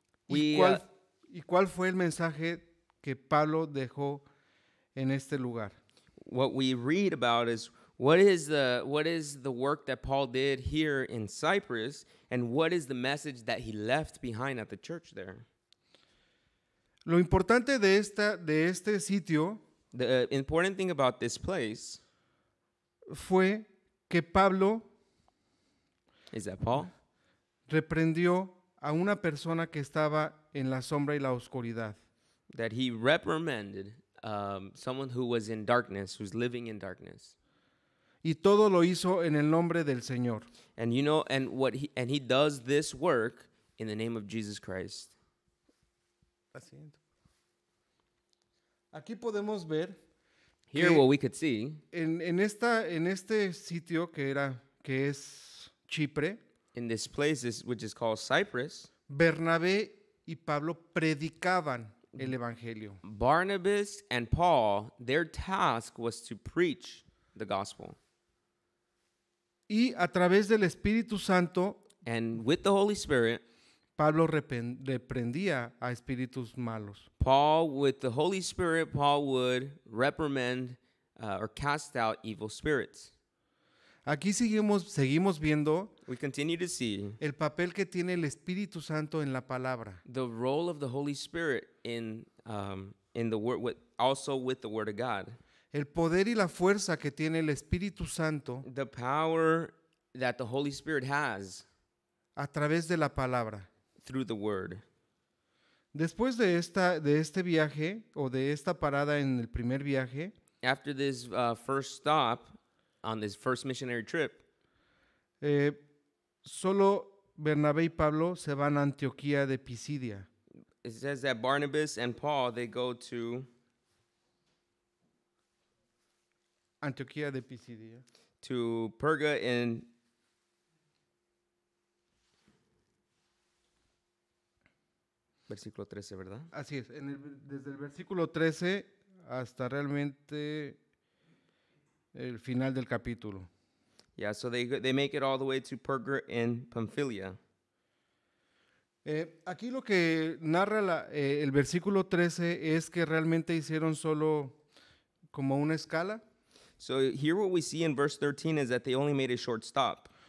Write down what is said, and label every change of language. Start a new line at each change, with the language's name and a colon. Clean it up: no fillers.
Spanish: ¿Y cuál fue el mensaje que Pablo dejó en este lugar?
English: What we read about is, What is the work that Paul did here in Cyprus, and what is the message that he left behind at the church there?
Spanish: Lo importante de este sitio,
English: the important thing about this place,
Spanish: fue que Pablo,
English: is that Paul,
Spanish: reprendió a una persona que estaba en la sombra y la oscuridad.
English: That he reprimanded someone who was in darkness, who's living in darkness.
Spanish: Y todo lo hizo en el nombre del Señor.
English: And you know, and what he, and he does this work in the name of Jesus Christ.
Spanish: Aquí podemos ver.
English: Here what we could see.
Spanish: En este sitio que es Chipre.
English: In this place, which is called Cyprus.
Spanish: Bernabé y Pablo predicaban el evangelio.
English: Barnabas and Paul, their task was to preach the gospel.
Spanish: Y a través del Espíritu Santo,
English: and with the Holy Spirit,
Spanish: Pablo reprendía a espíritus malos.
English: Paul, with the Holy Spirit, Paul would reprimand or cast out evil spirits.
Spanish: Aquí seguimos viendo.
English: We continue to see
Spanish: el papel que tiene el Espíritu Santo en la palabra.
English: The role of the Holy Spirit in the word, with, also with the word of God.
Spanish: El poder y la fuerza que tiene el Espíritu Santo.
English: The power that the Holy Spirit has.
Spanish: A través de la palabra.
English: Through the word.
Spanish: Después de este viaje o de esta parada en el primer viaje.
English: After this first stop on this first missionary trip.
Spanish: Solo Bernabé y Pablo se van a Antioquía de Pisidia.
English: It says that Barnabas and Paul, they go to
Spanish: Antioquía de Pisidia.
English: To Perga in
Spanish: versículo 13, ¿verdad? Así es, desde el versículo 13 hasta realmente el final del capítulo.
English: Yeah, so they make it all the way to Perga in Pamphylia.
Spanish: Aquí lo que narra el versículo 13 es que realmente hicieron solo como una escala.
English: So here what we see in verse 13 is that they only made a short stop.